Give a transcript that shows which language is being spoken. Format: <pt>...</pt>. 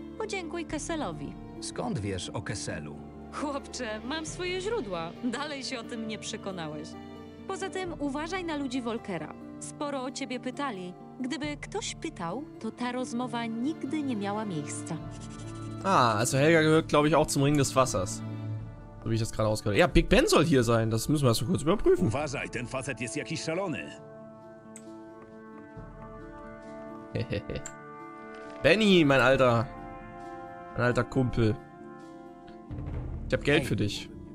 <pl>Podziękuj Kesselowi. Skąd wiesz o Kesselu? Chłopcze, mam swoje źródła. Dalej się o tym nie przekonałeś. Poza tym uważaj na ludzi Volkera. Sporo o ciebie pytali. Gdyby ktoś pytał, to ta rozmowa nigdy nie miała miejsca.</pl> <de>Ah, also Helga gehört, glaube ich, auch zum Ring des Wassers. So wie ich das gerade ausgehört. Ja, Big Ben soll hier sein, das müssen wir erst mal kurz überprüfen.</de> <pl>Uważaj, ten facet jest jakiś szalony.</pl> <de>Benny, mein alter. Mein alter Kumpel. Ich hab Geld für dich.</de>